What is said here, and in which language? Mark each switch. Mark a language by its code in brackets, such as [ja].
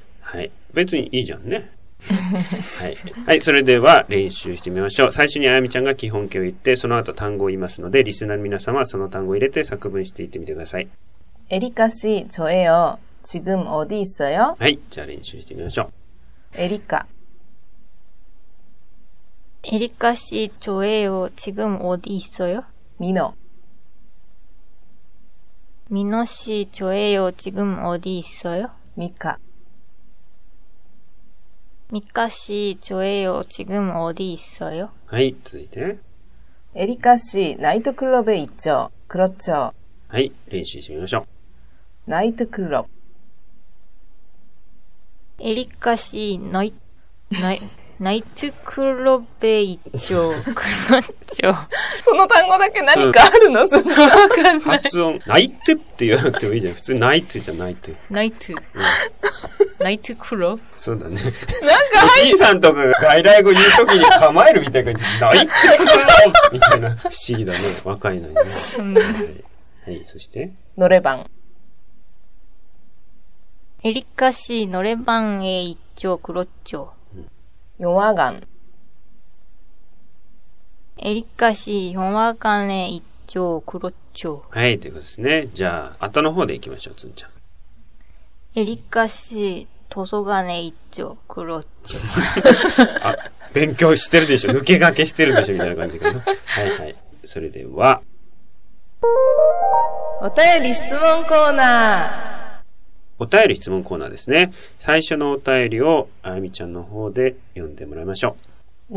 [ja] はい。別にいいじゃんね。はい。はい。それでは練習してみましょう。最初にあやみちゃんが基本形を言って、その後単語を言いますので、リスナーの皆さんはその単語を入れて作文していってみてください。 [ko] エリカ氏、저예요。지금어디있어요 [ja] はい。じゃあ練習してみましょう。エリカ。 [ko] 에리카씨저예요지금어디있어요 미노 미노씨저예요지금어디있어요 미카 미카씨저예요지금어디있어요 [ja] はい続いて [ko] 에리카씨나이트클럽에있죠그렇죠 [ja] はい練習してみましょう [ko] 나이트클럽 에리카씨나이나이 나이트 클럽에 있죠. 그렇죠. [ja] その [ko] 단어 밖에 뭔가 있는 순간. [ja] 発音 나이트 って 言わ なくて もいいじゃん。 普通 나이트 じゃ 나이트. [ko] 나이트. 나이트 클럽? [ja] そうだね. なんか おじいさん とか 外来語 言う 時に 構える みたいな 나이트 클럽 みたいな 不思議だね. 若いのに.はい。そして? [ko] 노래방. エリカ 씨 노래방에 있죠. 그렇죠. 영화관. 에리카 씨, 영화관에 있죠. 그렇죠. 네, 그렇습니다. 자, 앞으로 한번 가보죠, 준짱. 에리카 씨, 도서관에 있죠. 그렇죠. [ja] 아, 勉強してるでしょ. 抜け駆けしてるでしょ.이런感じかな.はいはい.それでは. [ko] 오타이리 질문 코너. [ja] お便り質問コーナーですね。最初のお便りをあやみちゃんの方で読んでもらいましょう。